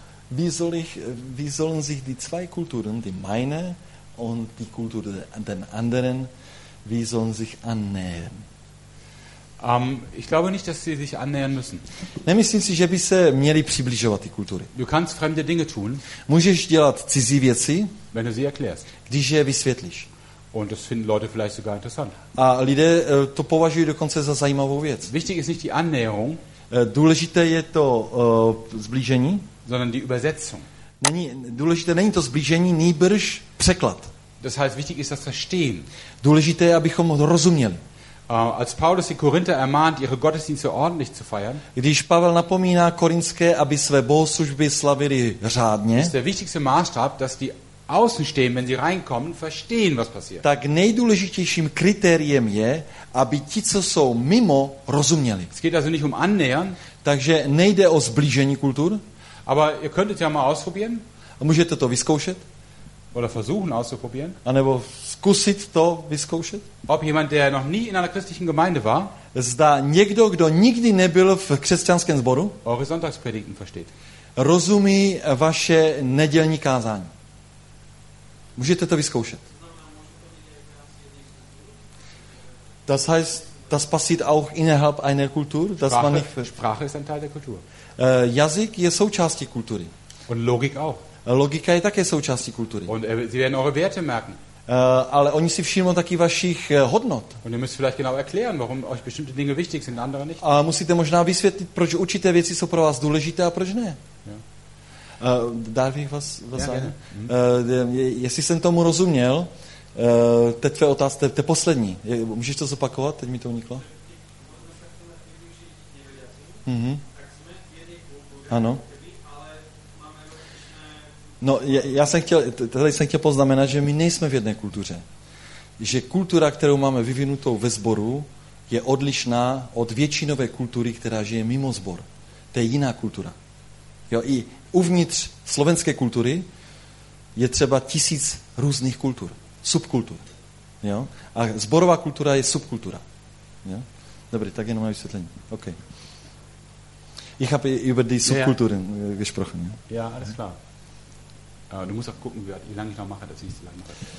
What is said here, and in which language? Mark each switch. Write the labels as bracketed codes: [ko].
[de] Wie sollen sich die zwei Kulturen, die meine und die Kultur der anderen, wie sollen sich annähern? Ich glaube nicht, dass sie sich annähern müssen. [cs] Nemyslím si, že by se měli přibližovat ty kultury. [de] Du kannst fremde Dinge tun, [cs] můžeš dělat cizí věci, [de] wenn du sie erklärst, [cs] když je vysvětlíš. [de] Und das finden Leute vielleicht sogar interessant. [cs] A lidé to považují dokonce za zajímavou věc. [de] Wichtig ist nicht die Annäherung, [cs] důležité je to zblížení, [de] sondern die Übersetzung. [cs] Důležité není to zblížení, nýbrž překlad. [de] Das heißt, wichtig ist das Verstehen. [cs] Důležité je, abychom rozuměli. [de] Als Paulus die Korinther ermahnt, ihre Gottesdienste ordentlich zu feiern. [cs] Když Pavel napomíná Korinské, aby své bohoslužby slavili řádně. [de] Ist der wichtigste Maßstab, dass die Außenstehenden, wenn sie reinkommen, verstehen, was passiert. [cs] Tak nejdůležitějším kritériem je, aby ti, co jsou mimo, rozuměli. [de] Es geht also nicht um annähern, [cs] takže nejde o zblížení kultur. [de] Aber ihr könntet ja mal ausprobieren. [cs] A můžete to vyzkoušet? [de] Oder versuchen auszuprobieren. [cs] A nebo zkusit to vyzkoušet. [de] Ob jemand, der noch nie in einer christlichen Gemeinde war, [cs] zda někdo, kdo nikdy nebyl v křesťanském sboru, [de] eure Sonntagspredigten versteht. [cs] Rozumí vaše nedělní kázání. Můžete to vyzkoušet. [de] Das heißt, das passiert auch innerhalb einer Kultur, dass Sprache, man nicht Sprache ist ein Teil der Kultur. [cs] Jazyk je součástí kultury. [de] Und Logik auch. [cs] Logika je také součástí kultury. [de] Und sie werden eure Werte merken. [cs] Ale oni si všimnou taky vašich hodnot. [de] Und ihr müsst vielleicht genau erklären, warum euch bestimmte Dinge wichtig sind, andere nicht. [cs] A musíte možná vysvětlit, proč určité věci jsou pro vás důležité a proč ne. Ja. [de] Darf ich was sagen? Ja, [cs] jestli jsem tomu rozuměl, teď tvé otázka, to je poslední. Můžeš to zopakovat? Teď mi to uniklo. Mm-hmm. Ano. No, já jsem chtěl poznamenat, že my nejsme v jedné kultuře. Že kultura, kterou máme vyvinutou ve sboru, je odlišná od většinové kultury, která žije mimo sbor. To je jiná kultura. Jo, i uvnitř slovenské kultury je třeba 1000 různých kultur, subkultur. Jo? A sborová kultura je subkultura. Jo? Dobrý, tak jenom na vysvětlení. OK. [de] Ich habe über die Subkulturen gesprochen. Ja, ja, alles klar. Du musst auch gucken, wie lange ich noch mache, dass ich nicht so lange mache.